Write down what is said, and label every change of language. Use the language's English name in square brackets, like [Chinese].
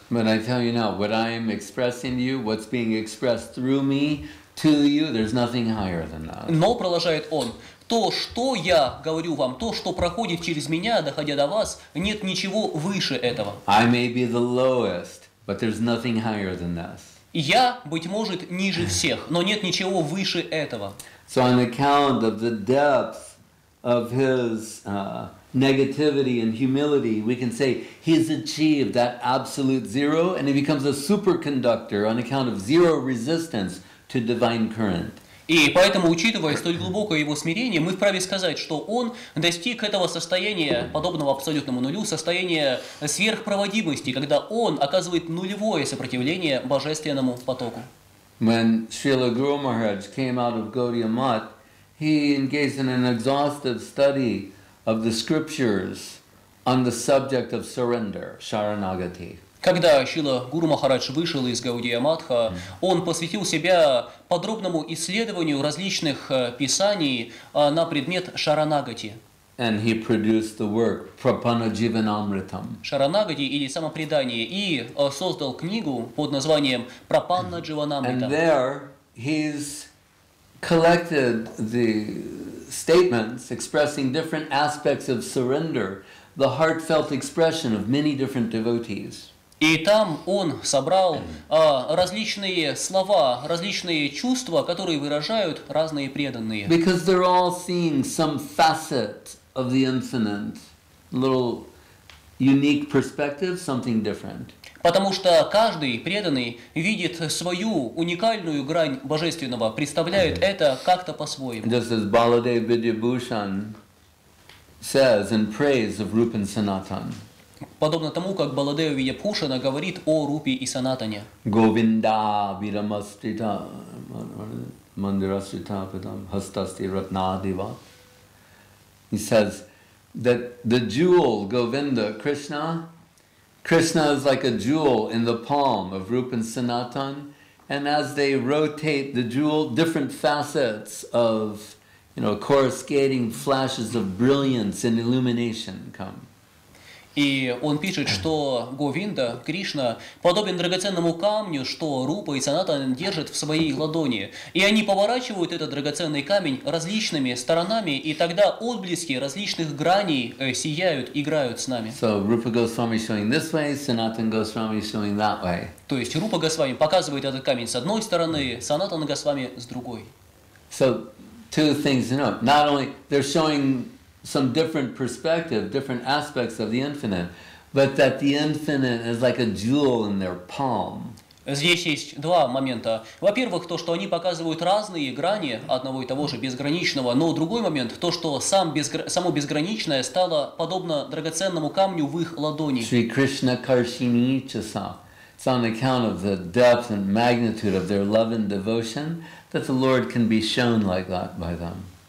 [English] But I tell you now, what I am expressing to you, what's being expressed through me to you, there's nothing higher than that. [Russian] Но продолжает он: то, что я говорю вам, то, что проходит через меня, доходя до вас, нет ничего выше этого. [English] I may be the lowest, but there's nothing higher than this. [Russian] Я, быть может, ниже всех, но нет ничего выше этого. [English] So on account of the depth of his negativity and humility, we can say he's achieved that absolute zero, and he becomes a superconductor on account of zero resistance to divine current. [Russian] И поэтому, учитывая столь глубокое его смирение, мы вправе сказать, что он достиг этого состояния, подобного абсолютному нулю, состояния сверхпроводимости, когда он оказывает нулевое сопротивление божественному потоку. [English] When Srila Guru Maharaj came out of Gaudiya Math, he engaged in an exhaustive study of the scriptures on the subject of surrender, Sharanagati. [Russian] Когда Шрила Гуру Махарадж вышел из Гаудия Матха, он посвятил себя подробному исследованию различных писаний на предмет Шаранагати. [English] And he produced the work Prapanajivanamritam. [Russian] Шаранагати или самопредание, и создал книгу под названием Прапанна-дживанамрита. [English] And there he's collected the statements expressing different aspects of surrender, the heartfelt expression of many different devotees. [Russian] И там он собрал различные слова, различные чувства, которые выражают разные преданные. [English] Because they're all seeing some facet of the infinite, little unique perspective, something different. [Russian] Потому что каждый преданный видит свою уникальную грань божественного, представляет это как-то по-своему. [English] Just as Baladev Vidyabhushan says in praise of Rupa and Sanatan. [Russian] Подобно тому, как Баладева Видьяпхушана говорит о Рупе и Санатане. [Sanskrit] Говинда вирамастрита мандирастрита питам хастасти ратнадива. [English] He says that the jewel Govinda, Krishna, Krishna is like a jewel in the palm of Rupa and Sanatan, and as they rotate the jewel, different facets of, you know, coruscating flashes of brilliance and illumination come. [Russian] И он пишет, что Говинда, Кришна, подобен драгоценному камню, что Рупа и Санатан держат в своей ладони. И они поворачивают этот драгоценный камень различными сторонами, и тогда отблески различных граней сияют, играют с нами. [English] So, Rupa Goswami showing this way, Sanatan Goswami showing that way. [Russian] То есть Рупа Госвами показывает этот камень с одной стороны, Санатан Госвами с другой. [English] So, two things to know. Not only they're showing some different perspective, different aspects of the infinite, but that the infinite is like a jewel in their palm. [Russian] Здесь есть два момента. Во-первых, то, что они показывают разные грани одного и того же безграничного, но другой момент, то, что само безграничное стало подобно драгоценному камню в их ладони. [Sanskrit] Sri Krishna Karshini Chasa. [English] it's on account of the depth and magnitude of their love and devotion that the Lord can be shown like that by them.